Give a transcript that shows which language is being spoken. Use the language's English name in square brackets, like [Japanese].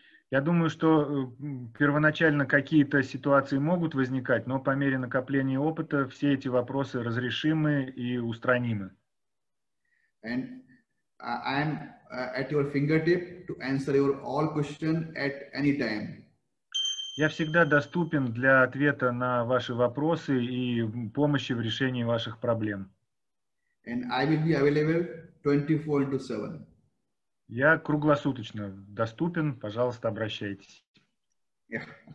[Russian] Я думаю, что первоначально какие-то ситуации могут возникать, но по мере накопления опыта все эти вопросы разрешимы и устранимы. [English] And I'm at your fingertip to answer your all questions at any time. [Russian] Я всегда доступен для ответа на ваши вопросы и помощи в решении ваших проблем. [English] And I will be available 24/7. [Russian] Я круглосуточно доступен. Пожалуйста, обращайтесь. [English] Yeah.